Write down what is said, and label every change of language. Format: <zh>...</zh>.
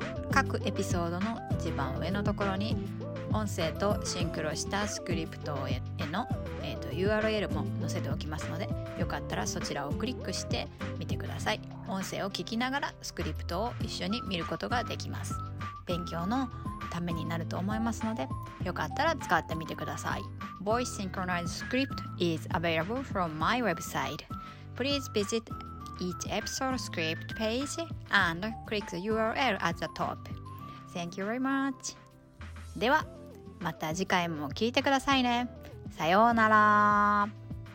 <ja>各エピソードの一番上のところに音声とシンクロしたスクリプトへの、URL も載せておきますので、よかったらそちらをクリックしてみてください。音声を聞きながらスクリプトを一緒に見ることができます。勉強のためになると思いますので、よかったら使ってみてください。</ja> <en>Voice Synchronized Script is available from my website. Please visit each episode script page and click the URL at the top. Thank you very much.</en> <ja>ではまた次回も聞いてくださいね。さようなら。</ja>